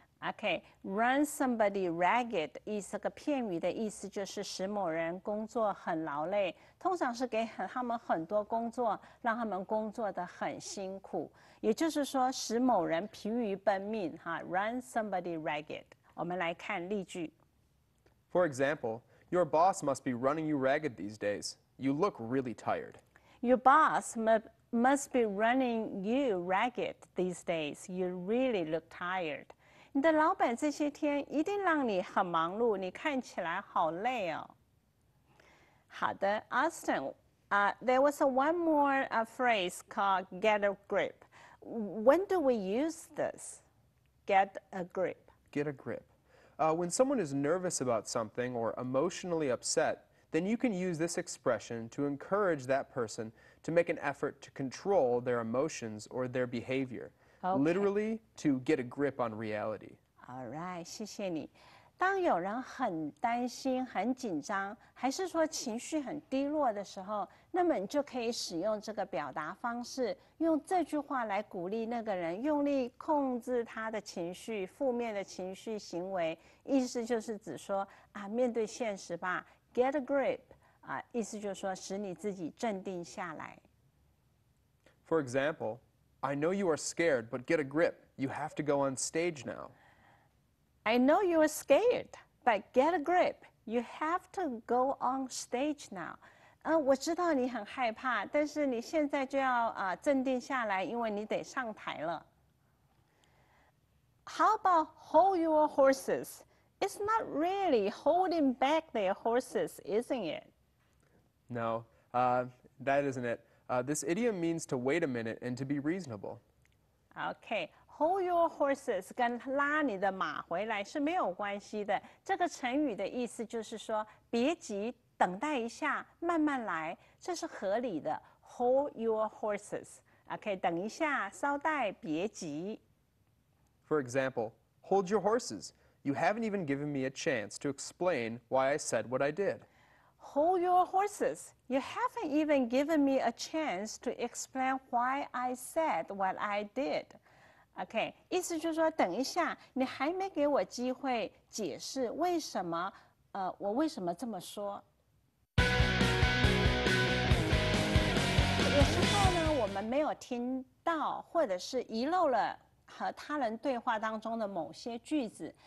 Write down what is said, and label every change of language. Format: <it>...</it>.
<zh>Okay, run somebody ragged 意思个片语的意思就是使某人工作很劳累，通常是给他们很多工作，让他们工作得很辛苦，也就是说使某人疲于奔命哈。 Run somebody ragged. 我们来看例句。</zh> <en>For example, your boss must be running you ragged these days. You look really tired. Your boss must be running you ragged these days. You really look tired.</en> <zh>你的老板这些天一定让你很忙碌，你看起来好累哦。好的</zh> <en>，Austin， there was one more phrase called get a grip. When do we use this? Get a grip. Get a grip. When someone is nervous about something or emotionally upset, then you can use this expression to encourage that person to make an effort to control their emotions or their behavior. Okay. Literally, to get a grip on reality. All right,</en> <zh>谢谢你。当有人很担心、很紧张，还是说情绪很低落的时候，那么你就可以使用这个表达方式，用这句话来鼓励那个人，用力控制他的情绪、负面的情绪行为。意思就是指说啊，面对现实吧 ，get a grip 啊，意思就是说使你自己镇定下来。</zh> <en>For example. I know you are scared, but get a grip. You have to go on stage now. I know you are scared, but get a grip. You have to go on stage now.</en> <zh>我知道你很害怕，但是你现在就要镇定下来，因为你得上台了。</zh> <en>How about hold your horses? It's not really holding back their horses, isn't it? No, that isn't it. This idiom means to wait a minute and to be reasonable.</en> <zh>Okay, hold your horses 跟拉你的马回来是没有关系的。这个成语的意思就是说，别急，等待一下，慢慢来，这是合理的。 Hold your horses. Okay, 等一下，稍待，别急。</zh> <en>For example, hold your horses. You haven't even given me a chance to explain why I said what I did. Hold your horses. You haven't even given me a chance to explain why I said what I did.</en> <zh>Okay, 意思就是说，等一下，你还没给我机会解释为什么，我为什么这么说。有时候呢，我们没有听到，或者是遗漏了和他人对话当中的某些句子。</zh>